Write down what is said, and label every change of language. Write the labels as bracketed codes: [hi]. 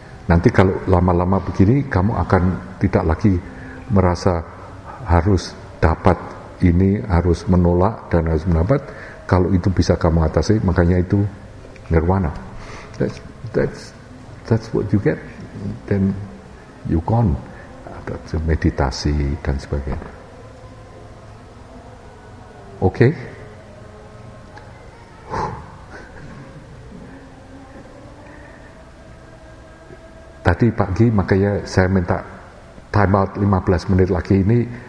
[id] Nanti kalau lama-lama begini, kamu akan tidak lagi merasa harus dapat ini, harus menolak dan harus mendapat. Kalau itu bisa kamu atasi, makanya itu nirwana. [en] That's what you get, then you gone. [id] Atau meditasi dan sebagainya. Okay. Tadi pagi makanya saya minta time out 15 menit lagi ini.